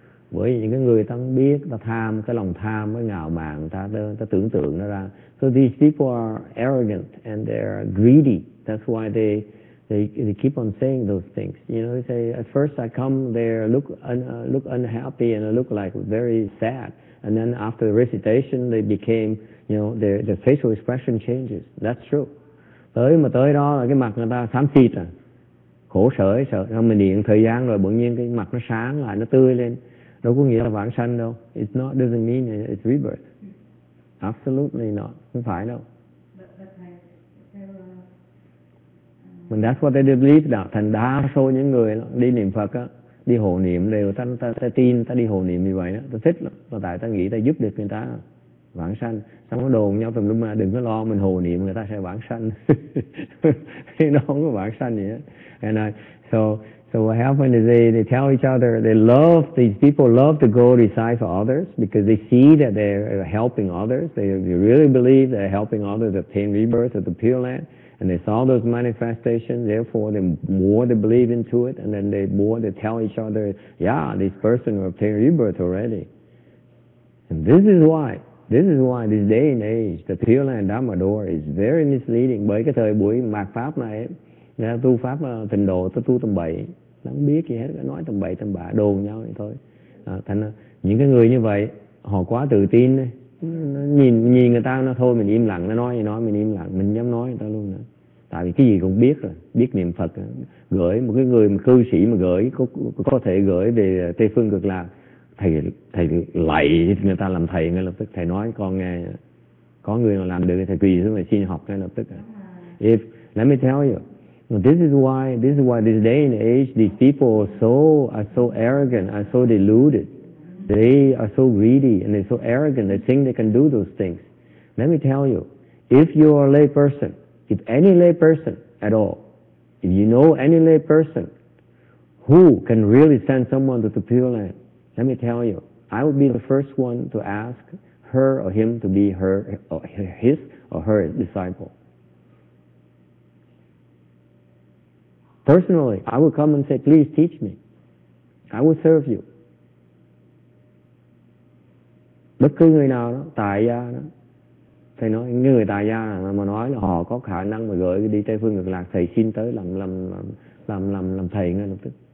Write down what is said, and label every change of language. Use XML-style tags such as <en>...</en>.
<vi>Bởi những cái người ta không biết, ta tham, cái lòng tham, cái ngạo mạn, ta tưởng tượng nó ra.</vi> <en>So these people are arrogant and they're greedy. That's why they keep on saying those things. You know, they say, at first I come there, look unhappy and I look like very sad. And then after the recitation, they became, you know, their facial expression changes. That's true.</en> <vi>Tới mà tới đó là cái mặt người ta xám xịt à. Khổ sở, sợ. Rồi mình niệm thời gian rồi, bỗng nhiên cái mặt nó sáng lại, nó tươi lên. Đâu có nghĩa là vãng sanh đâu.</vi> <en>It's not, doesn't mean it's rebirth. Absolutely not.</en> <vi>Không phải đâu.</vi> <en>But that's what they believe. Đó.</en> <vi>Thành đa số những người đi niệm Phật á, đi hộ niệm đều ta tin, ta đi hộ niệm như vậy đó. Ta thích lắm. Và tại ta nghĩ ta giúp được người ta vãng sanh. Xong nó đồn nhau tùm lum mà đừng có lo mình hộ niệm người ta sẽ vãng sanh. Thì nó không có vãng sanh gì hết.</vi> <en>And So what happened is they tell each other, these people love to go recite for others because they see that they're helping others. They really believe they're helping others obtain rebirth of the Pure Land. And they saw those manifestations, therefore the more they believe into it, and then the more they tell each other, yeah, this person obtained rebirth already. And this is why this day and age, the Pure Land Dharma door is very misleading.</en> <vi>Bởi cái thời buổi mạt pháp này, người ta tu pháp tịnh độ, ta tu tầm bậy, không biết gì hết, nói tầm bậy tầm bạ, đồn nhau vậy thôi. À, thành những cái người như vậy, họ quá tự tin, nhìn người ta, nó thôi mình im lặng, nó nói gì nói, mình im lặng, mình dám nói người ta luôn. Nữa. Tại vì cái gì cũng biết rồi, biết niệm Phật, gửi một cái người mà cư sĩ mà gửi, có thể gửi về Tây Phương Cực Lạc, thầy lạy người ta làm thầy ngay lập tức, thầy nói con nghe, có người nào làm được thầy quỳ xuống mà xin học ngay lập tức.</vi> <en>If, let me tell you, This is why this day and age these people are so arrogant, are so deluded. They are so greedy and they're so arrogant, they think they can do those things. Let me tell you, if you are a lay person, if any lay person at all, if you know any lay person who can really send someone to the Pure Land, let me tell you, I would be the first one to ask her or him to be his or her disciple. Personally, I would come and say, please teach me. I will serve you.</en> <vi>Bất cứ người nào đó, tài gia đó, thầy nói, người tài gia mà nói là họ có khả năng mà gửi đi Tây Phương Cực Lạc, thầy xin tới làm thầy ngay lập tức.</vi>